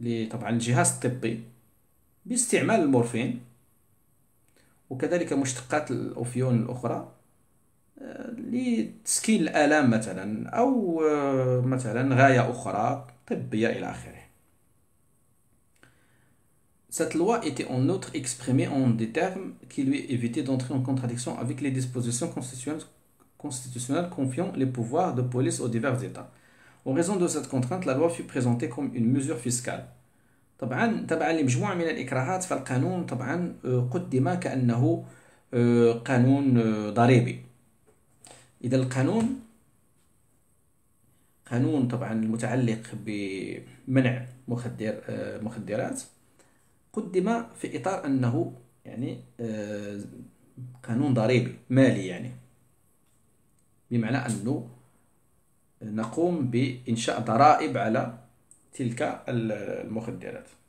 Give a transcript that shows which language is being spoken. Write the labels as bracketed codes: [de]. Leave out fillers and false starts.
[ar] طبعا الجهاز الطبي باستعمال المورفين وكذلك مشتقات الأوفيون الأخرى لتسكين الآلام مثلا أو مثلا غاية أخرى طبية إلى آخره. [fr] Cette loi était en outre exprimée en des termes qui lui évitaient d'entrer en contradiction avec les dispositions constitutionnelles confiant les pouvoirs de police aux divers États. En raison de cette contrainte, la loi fut présentée comme une mesure fiscale. [ar] طبعا تبع لمجموعة من الإكراهات فالقانون طبعا قدم كأنه قانون ضريبي. إذا القانون قانون طبعا المتعلق بمنع مخدرات قدم في إطار أنه يعني قانون ضريبي مالي، يعني بمعنى أنه نقوم بإنشاء ضرائب على تلك المخدرات،